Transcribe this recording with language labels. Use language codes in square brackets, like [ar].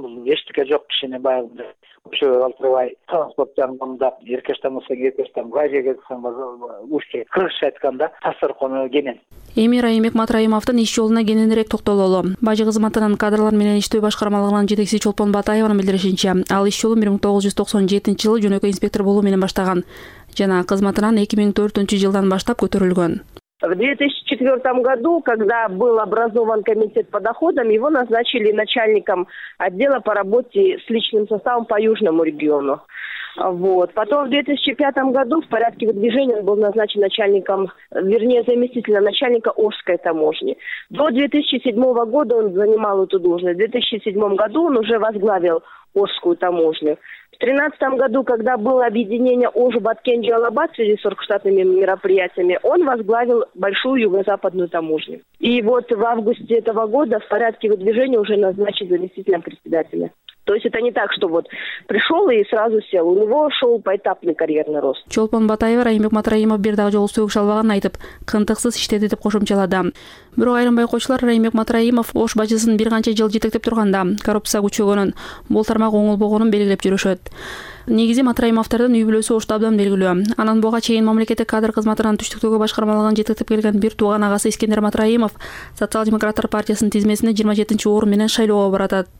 [ky] Бул эчтеке жок кишини баягындай көчөгө калтырбай, транспорт жагын мындап, эркештен болсо эркештен, газияге кылсаң уюштуру, кыргызча айтканда тасыркону кенен. Эми Райымбек Матраимовдун иш жолуна кененирээк токтололу. Бажы кызматынын кадрлар менен иштөө башкармалыгынын жетекчиси Чолпон Батаеванын билдиришинче, ал иш жолун 1997 жылы жөнөкөй инспектор болуу менен баштаган жана кызматынан 2004 жылдан баштап көтөрүлгөн. [ru] В 2004 году, когда был образован комитет по доходам, его назначили начальником отдела по работе с личным составом по Южному региону. Вот. Потом в 2005 году в порядке выдвижения он был назначен начальником, вернее, заместителем начальника Ошской таможни. До 2007 года он занимал эту должность. В 2007 году он уже возглавил Ошскую таможню. В 2013 году, когда было объединение Ош-Баткенджи-Алабад в связи с 40-штатными мероприятиями, он возглавил Большую Юго-Западную таможню. И вот в августе этого года в порядке выдвижения уже назначен заместителем председателя. То есть это не так, что вот пришел и сразу сел. У него шел поэтапный карьерный рост. [ky] Чолпон Батаева, Райымбек Матраимов бир дагы жолу сүйүп шалбаган айтып, кынтыксыз иштеди деп кошумчалады. Бирок айрым байкоочулар Райымбек Матраимов Ош бажысын бир канча жыл жетектеп турганда коррупция күчөгөнүн, бул тармак оңолбогонун белгилеп жүрүшөт. Негизи Матраим автордун үй бүлөсү Ош табдан белгилүү. Анан буга чейин мамлекеттик кадр кызматынан түштүктөгү башкармалыгын жетектеп келген бир тууган агасы Искендер Матраимов Социал-демократтар партиясынын тизмесине 27-чи орун менен шайлоого баратат.